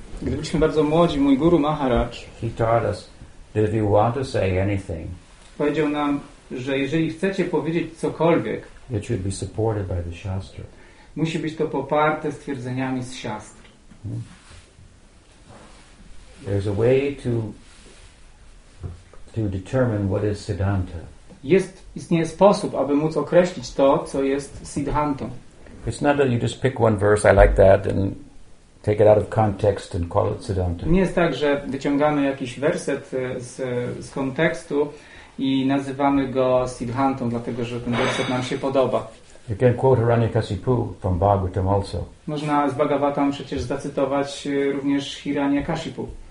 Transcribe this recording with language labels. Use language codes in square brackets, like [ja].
[pl] gdy byliśmy bardzo młodzi, mój Guru Maharaj, [en] he taught us that if you want to say anything, [pl] powiedział nam, że jeżeli chcecie powiedzieć cokolwiek, [en] it should be supported by the Shastra. [pl] Musi być to poparte stwierdzeniami z Shastr. [en] There's a way to determine what is Siddhanta. [pl] Istnieje sposób, aby móc określić to, co jest Siddhantą. [en] It's not that you just pick one verse, I like that, and take it out of context and call it Siddhanta. [pl] Nie jest tak, że wyciągamy jakiś werset z kontekstu i nazywamy go Siddhantą, dlatego że ten werset nam się podoba. [en] You can quote Hiranyakasipu from Bhagavatam also. [pl] Można z Bhagavatam przecież zacytować również Hiranyakasipu.